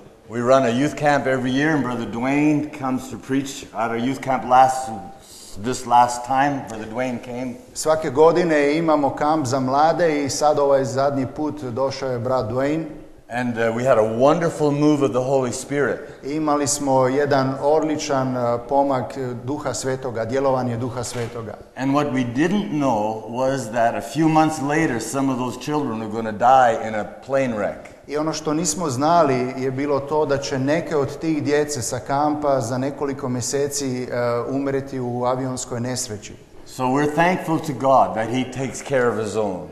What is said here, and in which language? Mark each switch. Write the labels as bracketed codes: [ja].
[en] We run a youth camp every year, and Brother Dwayne comes to preach at our youth camp this last time. Brother Dwayne came. [hr] Svake godine imamo kamp za mlade i sad ovaj zadnji put došao je brat Dwayne. [en] And we had a wonderful move of the Holy Spirit. [hr] Imali smo jedan odličan pomak Duha Svetoga, djelovanje Duha Svetoga. [en] And what we didn't know was that a few months later some of those children were going to die in a plane wreck. [hr] I ono što nismo znali je bilo to da će neke od tih djece sa kampa za nekoliko mjeseci umreti u avionskoj nesreći. [en] So we're thankful to God that he takes care of his own.